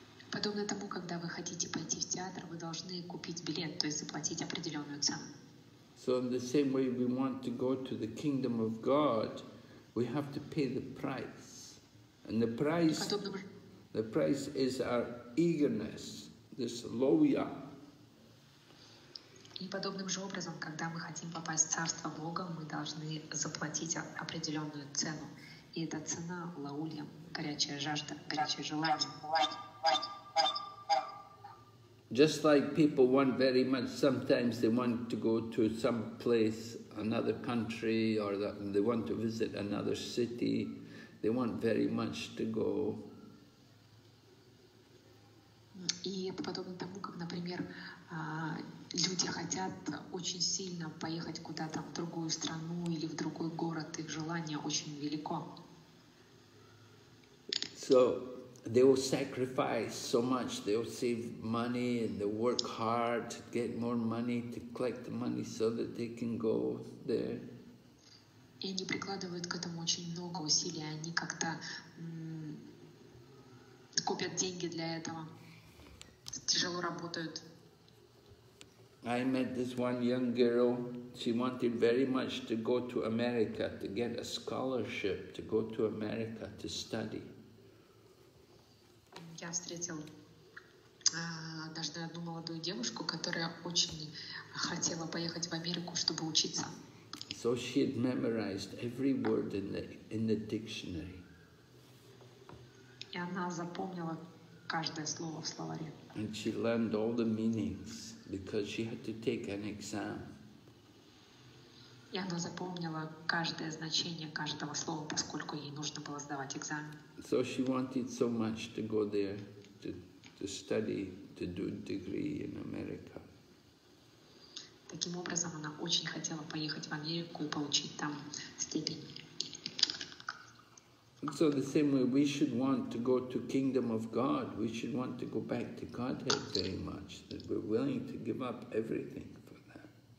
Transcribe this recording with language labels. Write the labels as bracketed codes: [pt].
[ru] Подобно тому, когда вы хотите пойти в театр, вы должны купить билет, то есть заплатить определенную цену. [en] So in the same way we want to go to the kingdom of God, we have to pay the price. And the price is our eagerness, this loya. [ru] И подобным же образом, когда мы хотим попасть в Царство Бога, мы должны заплатить определенную цену. И эта цена — лаулья, горячая жажда, горячее желание. [en] Just like people want very much, sometimes they want to go to some place, another country, or they want to visit another city, they want very much to go. [ru] И это подобно тому, как, например, люди хотят очень сильно поехать куда-то в другую страну или в другой город, их желание очень велико. [en] So they will sacrifice so much, they will save money and they work hard to get more money, to collect the money so that they can go there. [ru] И они прикладывают к этому очень много усилий, они как-то копят деньги для этого. Тяжело работают. [en] I met this one young girl. She wanted very much to go to America, to get a scholarship, to go to America to study. [ru] Я встретил однажды одну молодую девушку, которая очень хотела поехать в Америку, чтобы учиться. [en] So she had memorized every word in the dictionary. [ru] И она запомнила каждое слово в словаре. [en] And she learned all the meanings because she had to take an exam. [ru] И она запомнила каждое значение каждого слова, поскольку ей нужно было сдавать экзамен. [en] So she wanted so much to go there to study, to do degree in America. [ru] Таким образом, она очень хотела поехать в Америку и получить там степень. [en] So the same way we should want to go to kingdom of God, we should want to go back to Godhead very much, that we're willing to give up everything for that.